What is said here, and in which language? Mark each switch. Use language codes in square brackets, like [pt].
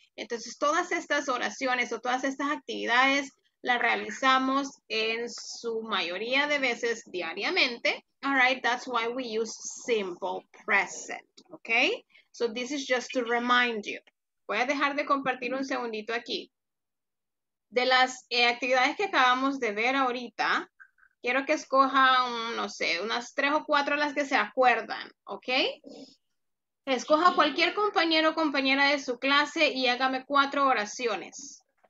[es] Entonces todas estas oraciones o todas estas actividades la realizamos en su mayoría de veces diariamente. [en] All right, that's why we use simple present, okay? So this is just to remind you. [es] Voy a dejar de compartir un segundito aquí. De las actividades que acabamos de ver ahorita, quiero que escojan, no sé, unas 3 o 4 las que se acuerdan, okay? Escoja cualquier compañero o compañera de su clase y hágame 4 oraciones.